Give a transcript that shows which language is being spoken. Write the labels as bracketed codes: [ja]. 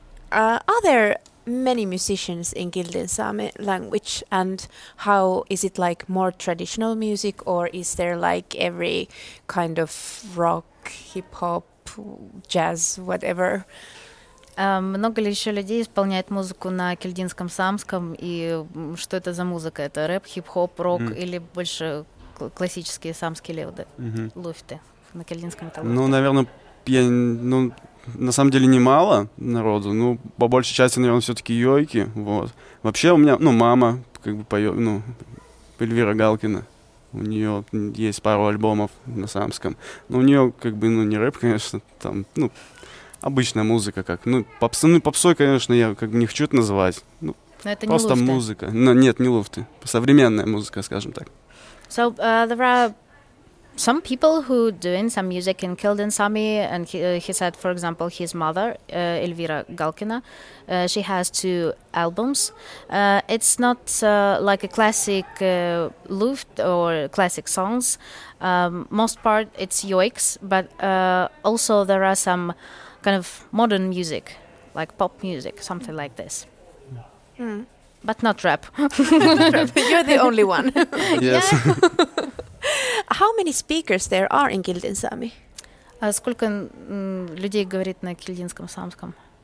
[en] Are there many musicians in Kiltin Sami language, and how is it like more traditional music, or is there like every kind of rock, hip-hop, jazz, whatever? [ru] Много ли еще людей исполняет музыку на кильдинском самском, и что это за музыка? Это рэп, хип-хоп, рок или больше классические самские левды, луфты на кильдинском талуфте? Ну, наверное, на самом деле немало народу, но по большей части, наверное, все-таки йойки, вот. Вообще у меня, ну, мама, как бы, поет, ну, Эльвира Галкина, у нее есть пару альбомов на самском, но у нее, как бы, ну, не рэп, конечно, там, ну, обычная музыка, как. Ну, попсой, конечно, я как бы не хочу это называть. Ну, но это просто не луфты. Музыка. Но нет, не луфты. Современная музыка, скажем так. [en] So, there are some people who doing some music in Kiltin Sami, and he said, for example, his mother, Эльвира Галкина, she has two albums. It's not like a classic luft or classic songs. Most part it's yoiks, but also there are some kind of modern music, like pop music, something like this. But not rap. You're the only one. Yes. How many speakers there are in Kiltin Sami? [ru] Сколько людей говорит на кильдинском самском?